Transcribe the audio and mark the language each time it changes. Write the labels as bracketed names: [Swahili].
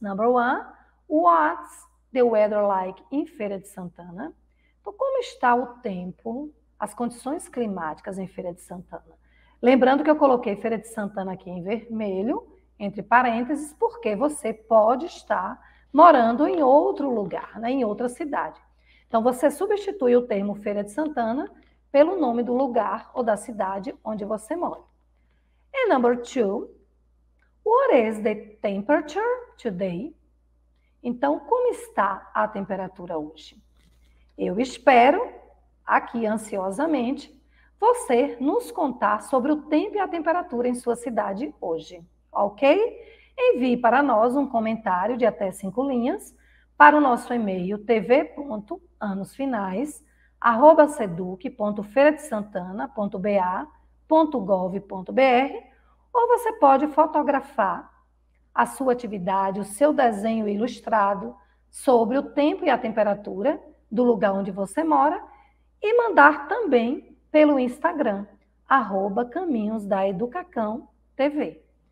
[English] Number one, what's the weather like in Feira de Santana? [Portuguese] Como está o tempo, as condições climáticas em Feira de Santana? Lembrando que eu coloquei Feira de Santana aqui em vermelho, entre parênteses, porque você pode estar morando em outro lugar, né, em outra cidade. Então você substitui o termo Feira de Santana pelo nome do lugar ou da cidade onde você mora. [English] E number two, what is the temperature today? [Portuguese] Então como está a temperatura hoje? Eu espero, aqui ansiosamente, você nos contar sobre o tempo e a temperatura em sua cidade hoje, ok? Envie para nós um comentário de até 5 linhas para o nosso e-mail tv.anosfinais@seduc.feiradesantana.ba.gov.br ou você pode fotografar a sua atividade, o seu desenho ilustrado sobre o tempo e a temperatura do lugar onde você mora, e mandar também pelo Instagram, @caminhosdaeducacãotv.